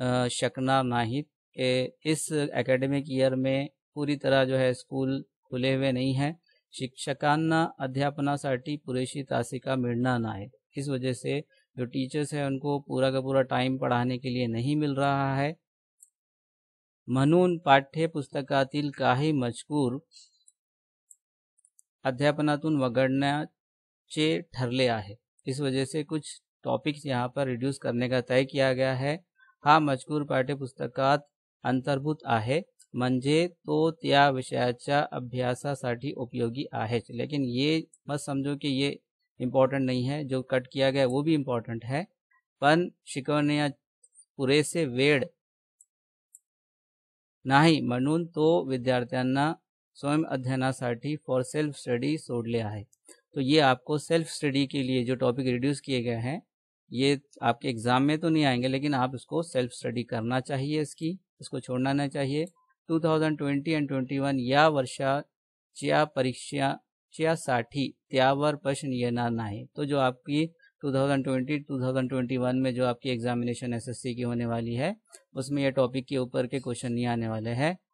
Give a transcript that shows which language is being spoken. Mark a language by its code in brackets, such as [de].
[mr] शकना नाहीत, [hi] के इस एकेडमिक ईयर में पूरी तरह जो है स्कूल खुले हुए नहीं हैं, [mr] शिक्षकांना अध्यापनासाठी पुरेशी तासिका मिळणा नाही, [hi] इस वजह से जो टीचर्स हैं उनको पूरा का पूरा टाइम पढ़ाने के लिए नहीं मिल रहा है, [mr] म्हणून पाठ्य पुस्तकातील काही मजकूर अध्यापनातून वगळण्याचे ठरले आहे, [hi] इस वजह से कुछ टॉपिक्स यहाँ पर रिड्यूस करने का तय किया गया है। [mr] हा मजकूर पाठ्यपुस्तकात अंतर्भूत आहे, म्हणजे तो त्या विषयाच्या अभ्यासासाठी उपयोगी आहे। [hi] लेकिन ये मत समझो कि ये इम्पॉर्टंट नहीं है, जो कट किया गया वो भी इम्पॉर्टंट है, [mr] पण शिकवण्या पुरेसे वेळ नाही, म्हणून तो विद्यार्थ्यांना स्वयं अध्ययनासाठी फॉर सेल्फ स्टडी सोडले आहे। [hi] तो ये आपको सेल्फ स्टडी के लिए जो टॉपिक रिड्यूस किए गए हैं ये आपके एग्जाम में तो नहीं आएंगे, लेकिन आप इसको सेल्फ स्टडी करना चाहिए, इसकी इसको छोड़ना नहीं चाहिए। [mr] 2020 एंड 21 या वर्षा च्या परीक्षा च्या साठी त्यावर प्रश्न येणार नाही, [hi] तो जो आपकी 2020 2021 में जो आपकी एग्जामिनेशन एसएससी की होने वाली है उसमें ये टॉपिक के ऊपर के क्वेश्चन नहीं आने वाले हैं।